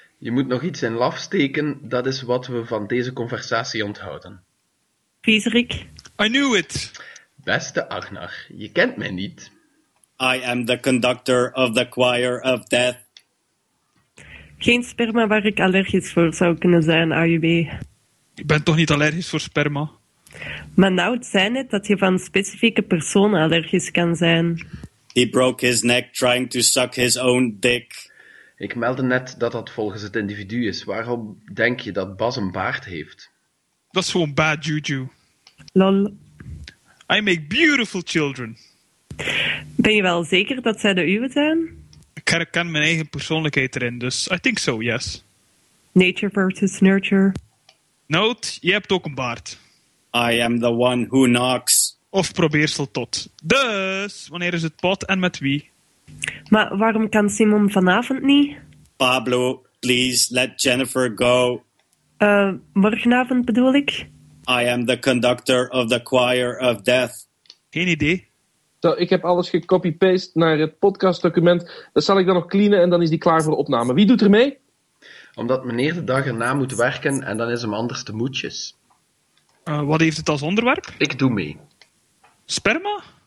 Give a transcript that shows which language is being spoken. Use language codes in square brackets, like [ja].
[nl] Je moet nog iets in laf steken. Dat is wat we van deze conversatie onthouden. Vieserik. [en] I knew it. [nl] Beste Agnar, je kent mij niet. [en] I am the conductor of the choir of death. [nl] Geen sperma waar ik allergisch voor zou kunnen zijn, AUB. Ik ben toch niet allergisch voor sperma? Maar nou, het zei net dat je van specifieke personen allergisch kan zijn. [en] He broke his neck trying to suck his own dick. [nl] Ik meldde net dat dat volgens het individu is. Waarom denk je dat Bas een baard heeft? Dat is gewoon [en] bad juju. Lol. I make beautiful children. [nl] Ben je wel zeker dat zij de uwe zijn? Ik herken mijn eigen persoonlijkheid erin, dus [en] I think so, yes. Nature versus nurture. [nl] Note, je hebt ook een baard. [en] I am the one who knocks. [nl] Of probeersel tot. Dus, wanneer is het pot en met wie? Maar waarom kan Simon vanavond niet? [en] Pablo, please let Jennifer go. [nl] Morgenavond bedoel ik? [en] I am the conductor of the choir of death. [nl] Geen idee. Zo, ik heb alles gecopy-paste naar het podcastdocument. Dat zal ik dan nog cleanen en dan is die klaar voor opname. Wie doet er mee? Omdat meneer de dag erna moet werken en dan is hem anders te moedjes. Wat heeft het als onderwerp? Ik doe mee. Sperma?